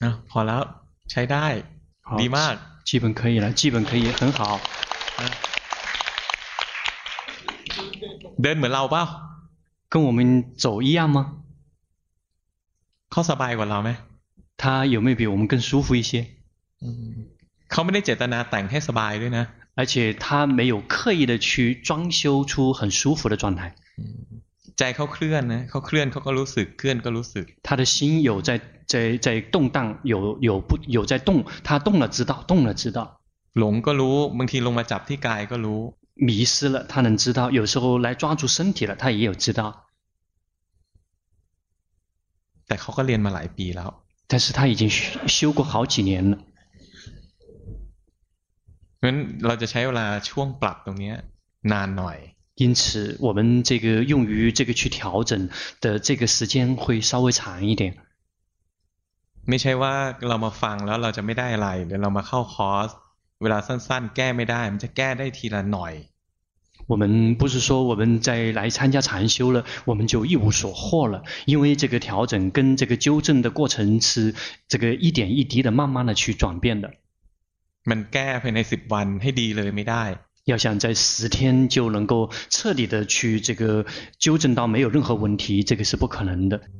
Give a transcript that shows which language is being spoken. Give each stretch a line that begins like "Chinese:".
Thai: พอแล้วใช้ได้ดีมาก
Chinese: 基本可以了基本可以很好
Thai: เดินเหมือนเราเปล่า
Chinese: 跟我们走一样吗
Thai: เขาสบายกว่าเราไหม
Chinese: 他有没有比我们更舒服一些
Thai: เขาไม่ได้เจตนาแต่งให้สบายด้วยนะ
Chinese: 而且他没有刻意的去装修出很舒服的状态
Thai: ใจเขาเคลื่อนนะเขาเคลื่อนเขาก็รู้สึกเคลื่อนก็รู้สึก
Chinese: 他的心有在动荡有在动他动了知道动了知道
Thai: หลงก็รู้บางทีลงมาจับที่กายก็รู้
Chinese: 迷失了，他能知道；有时候来抓住身体了，他也有知道。
Thai: แต่เขาก็เรียนมาหลายปีแล้ว
Chinese: 但是他已经 修过好几年了。
Thai: เพราะฉะนั้นเราจะใช้เวลาช่วงปรับตรงนี้นานหน่อย
Chinese: 因此我们这个用于这个去调整的这个时间会稍微长一点。
Thai: ไม่ใช่ว่าเรามาฟังแล้วเราจะไม่ได้อะไรหรือเรามาเข้าคอร์สเวลาสั้นๆแก้ไม่ได้มันจะแก้ได้ทีละหน่อย
Chinese: 我们不是说我们在来参加禅修了我们就一无所获了因为这个调整跟这个纠正的过程是这个一点一滴的慢慢的去转变的
Thai: มันแก้ภายใน10วันให้ดีเลยไม่ได้
Chinese: 要想在十天就能够彻底的去这个纠正到没有任何问题这个是不可能的